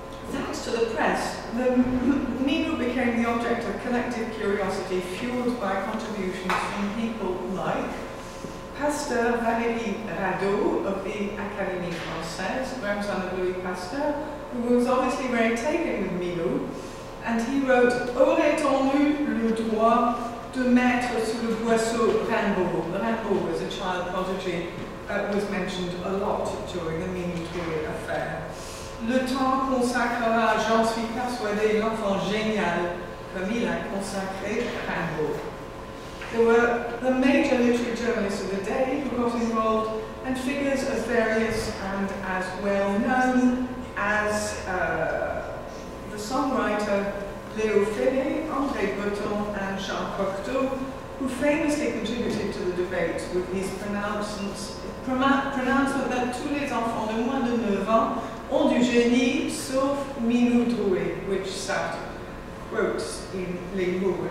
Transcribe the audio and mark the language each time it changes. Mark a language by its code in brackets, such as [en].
[en] Thanks to the press, the Minou became the object of collective curiosity fueled by contributions from people like Pasteur Valérie Radeau of the Académie Française, grandson of Louis Pasteur, who was obviously very taken with Minou, and he wrote [fr] Aurait-on-eu le droit de mettre sur le boisseau Rimbaud. [en] Rimbaud was a child prodigy that was mentioned a lot during the Minou-Drouet affair. [fr] Le temps consacrera, j'en suis persuadé, l'enfant génial, comme il a consacré Rimbaud. [en] There were the major literary journalists of the day who got involved, and figures as various and as well known as the songwriter Léo Ferré, André Breton, and Jean Cocteau, who famously contributed to the debate with his pronouncement that [fr] tous les enfants de moins de 9 ans ont du génie sauf Minou Drouet, [en] which Sartre quotes in Les Mots.